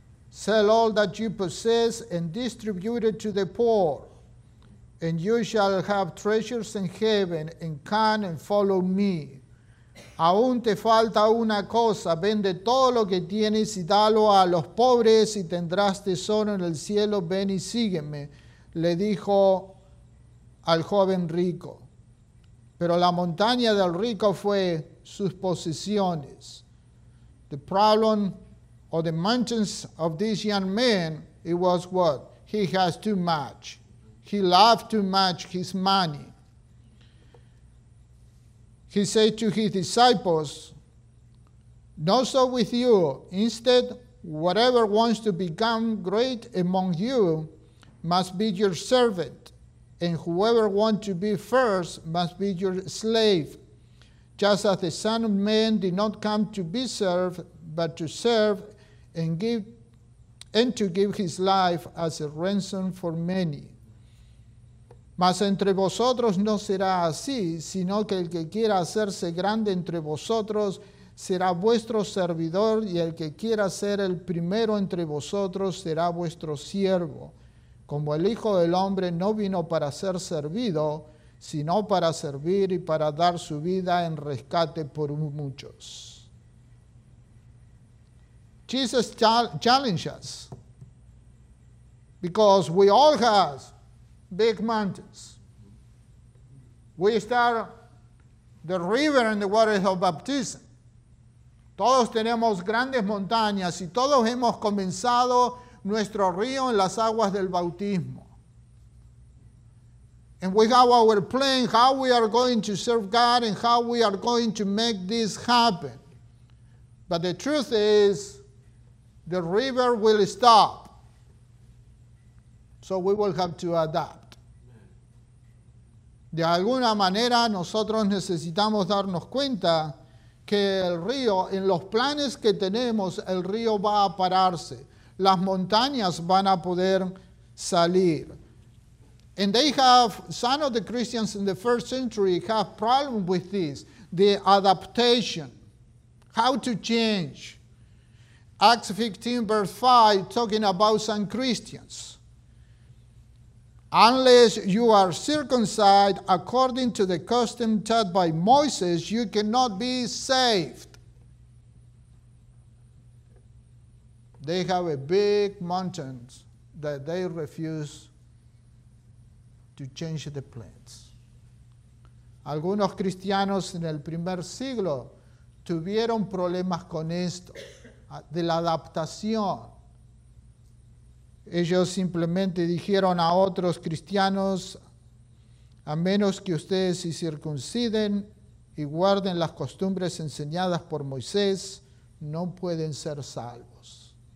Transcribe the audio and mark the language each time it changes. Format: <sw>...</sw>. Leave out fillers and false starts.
<en>Sell all that you possess and distribute it to the poor, and you shall have treasures in heaven, and come and follow me.</en> <es>Aún te falta una cosa, vende todo lo que tienes y dalo a los pobres y tendrás tesoro en el cielo, ven y sígueme, le dijo al joven rico. Pero la montaña del rico fue sus posesiones.</es> <en>The problem or the mountains of this young man, it was what? He has too much. He loved too much his money. He said to his disciples, not so with you. Instead, whatever wants to become great among you must be your servant, and whoever wants to be first must be your slave. Just as the Son of Man did not come to be served, but to serve and give, and to give his life as a ransom for many.</en> <es>Mas entre vosotros no será así, sino que el que quiera hacerse grande entre vosotros será vuestro servidor, y el que quiera ser el primero entre vosotros será vuestro siervo. Como el Hijo del Hombre no vino para ser servido, sino para servir y para dar su vida en rescate por muchos.</es> <en>Jesus challenged us, because we all have big mountains. We start the river and the waters of baptism.</en> <es>Todos tenemos grandes montañas y todos hemos comenzado nuestro río en las aguas del bautismo.</es> <en>And we have our plan how we are going to serve God and how we are going to make this happen. But the truth is, the river will stop. So we will have to adapt.</en> <es>De alguna manera, nosotros necesitamos darnos cuenta que el río, en los planes que tenemos, el río va a pararse. Las montañas van a poder salir.</es> <en>And they have, some of the Christians in the first century have problems with this, the adaptation, how to change. Acts 15, verse 5, talking about some Christians. Unless you are circumcised according to the custom taught by Moses, you cannot be saved. They have a big mountain that they refuse to change the plans.</en> <es>Algunos cristianos en el primer siglo tuvieron problemas con esto, de la adaptación. Ellos simplemente dijeron a otros cristianos, a menos que ustedes se circunciden y guarden las costumbres enseñadas por Moisés, no pueden ser salvos.</es>